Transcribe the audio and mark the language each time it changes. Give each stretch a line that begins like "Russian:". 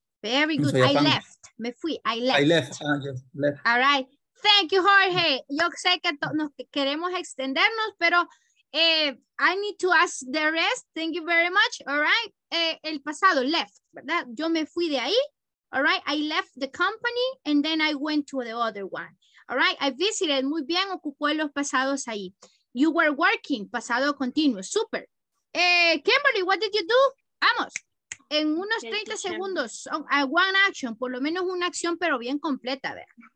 English: Very good. I left.
Spanish: Me fui.
English: I left. Yes, left. All right. Thank you, Jorge.
Spanish: Yo sé que nos queremos extendernos, pero
English: I need to ask the rest. Thank you very much. All right.
Spanish: El pasado, left, ¿verdad? Yo me fui de ahí.
English: All right. I left the company and then I went to the other one. All right, I visited,
Spanish: muy bien, ocupó los pasados ahí.
English: You were working,
Spanish: pasado continuo,
English: super.
Spanish: Kimberly,
English: what did you do?
Spanish: Vamos, en unos 30 segundos,
English: one action,
Spanish: por lo menos una acción, pero bien completa. A ver.